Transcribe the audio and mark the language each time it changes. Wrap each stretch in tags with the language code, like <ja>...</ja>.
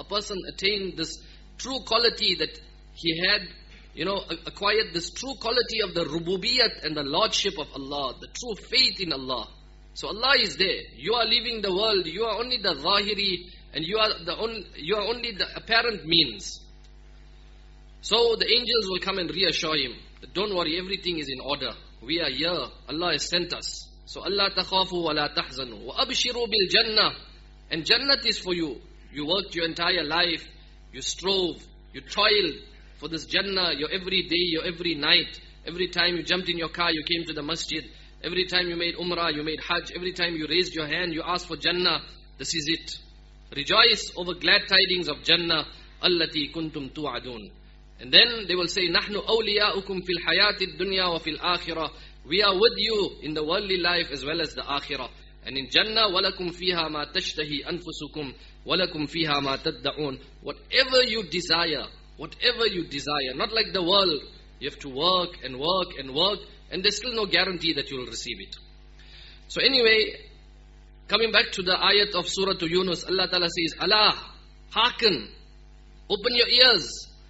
<en>A person attained this true quality that he had, you know, acquired this true quality of the rububiyat and the lordship of Allah, the true faith in Allah. So Allah is there. You are leaving the world. You are only the zahiri, and you are only the apparent means. So the angels will come and reassure him that, don't worry, everything is in order. We are here. Allah has sent us.</en> <ar>So Allah تَخَافُ وَلَا تَحْزَنُوا وَأَبْشِرُوا بِالْجَنَّةِ.</ar> <en>And Jannat is for you. You worked your entire life. You strove. You toiled for this Jannah. Your every day, your every night. Every time you jumped in your car, you came to the masjid. Every time you made Umrah, you made Hajj. Every time you raised your hand, you asked for Jannah. This is it. Rejoice over glad tidings of Jannah.</en> <ar>Allati kuntum tu'adun.</ar> <en>And then they will say,</en> <ar>Nahnu awliya'ukum fil hayati dunya wa fil akhirah.</ar> <en>We are with you in the worldly life as well as the akhirah. And in Jannah,</en> <ar>وَلَكُمْ فِيهَا مَا تَشْتَهِ أَنفُسُكُمْ وَلَكُمْ فِيهَا مَا تَدَّعُونَ.</ar> <en>Whatever you desire, whatever you desire, not like the world, you have to work and work and work, and there's still no guarantee that you will receive it. So anyway, coming back to the ayat of Surah Yunus, Allah Ta'ala says, Ala, hearken, open your ears.</en>